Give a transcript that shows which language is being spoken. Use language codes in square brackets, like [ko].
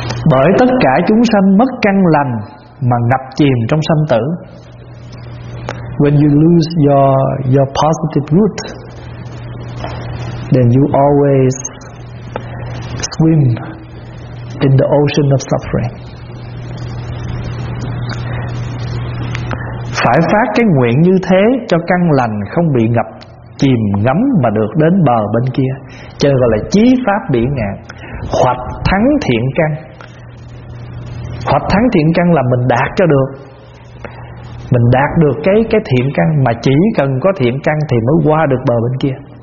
[vi] Bởi tất cả chúng sanh mất căn lành mà ngập chìm trong sanh tử. [en] When you lose your positive root, then you always swim in the ocean of suffering. [vi] Phải phát cái nguyện như thế cho căn lành không bị ngập chìm ngấm mà được đến bờ bên kia. Cho nên gọi là chí pháp bỉ ngạn, hoạch thắng thiện căn. Hoạch thắng thiện căn là mình đạt cho được, mình đạt được cái thiện căn, mà chỉ cần có thiện căn thì mới qua được bờ bên kia.